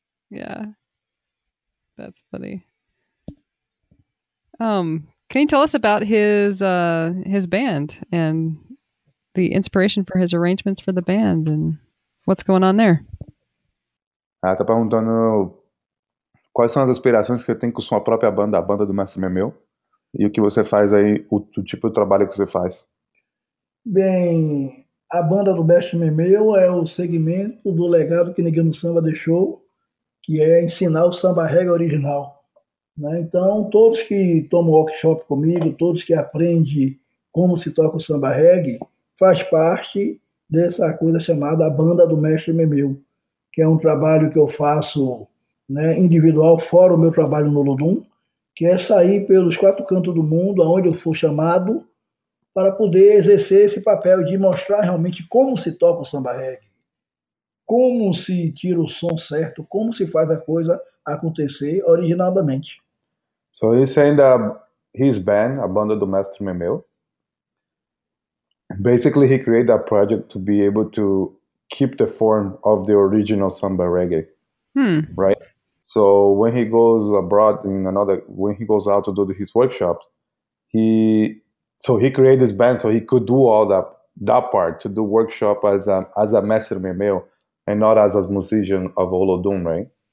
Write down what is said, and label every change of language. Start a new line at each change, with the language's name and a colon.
English: Yeah. That's funny. Can you tell us about his band and the inspiration for his arrangements for the band and what's going on there?
Portuguese: Ah, tá perguntando... Quais são as aspirações que você tem com sua própria banda, a banda do Mestre Memeu? E o que você faz aí, o tipo de trabalho que você faz? Bem, a banda do Mestre Memeu é o segmento do legado que Neguinho do Samba deixou, que é ensinar o samba reggae original. Né? Então, todos que tomam workshop comigo, todos que aprendem como se toca o samba reggae, faz parte dessa coisa chamada a banda do Mestre Memeu, que é um trabalho que eu faço... Né, individual, fora o meu trabalho no Olodum, que é sair pelos quatro cantos do mundo, aonde eu for chamado, para poder exercer esse papel de mostrar realmente como se toca o samba reggae, como se tira o som certo, como se faz a coisa acontecer originadamente.
English: So he's saying that his band, a banda do Mestre Memeu, basically he created a project to be able to keep the form of the original samba reggae, right? So when he goes abroad when he goes out to do his workshops, he created this band so he could do all that part, to do workshop as a Mestre Memeu and not as a musician of Olodum, right?